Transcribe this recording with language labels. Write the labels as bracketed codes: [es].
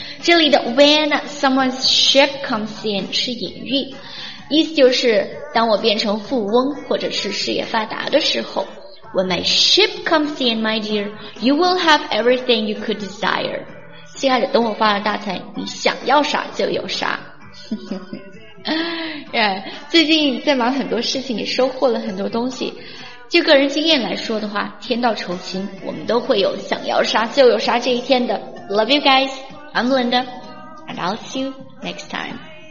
[zh] 这里的 [en] when someone's ship comes in [zh] 是隐喻，意思就是当我变成富翁或者是事业发达的时候。 [en] When my ship comes in, my dear, you will have everything you could desire. [zh] 亲爱的，等我发了大财，你想要啥就有啥。 yeah, 最近在忙很多事情，也收获了很多东西。就个人经验来说的话，天道酬勤，我们都会有想要啥就有啥这一天的。 [en] Love you guys, I'm Linda, and I'll see you next time.